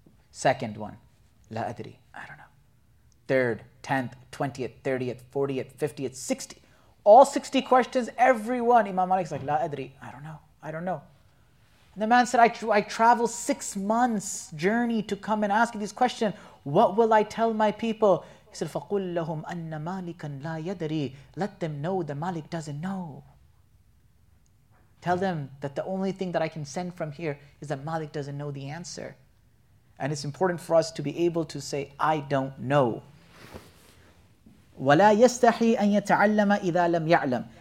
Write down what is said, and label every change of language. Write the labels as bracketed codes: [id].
[en] Second one, La adri, I don't know. Third, 10th, 20th, 30th, 40th, 50th, 60th. All 60 questions, everyone. Imam Malik's like, La adri, I don't know, I don't know. And the man said, I travel 6 months journey to come and ask you these questions. What will I tell my people? He said, [ar] فَقُلْ لَهُمْ أَنَّ مَالِكًا لَا يَدْرِي. [en] Let them know that Malik doesn't know. Tell them that the only thing that I can send from here is that Malik doesn't know the answer. And it's important for us to be able to say, I don't know. [ar] وَلَا يَسْتَحِي أَن يَتَعَلَّمَ إِذَا لَمْ يَعْلَمْ.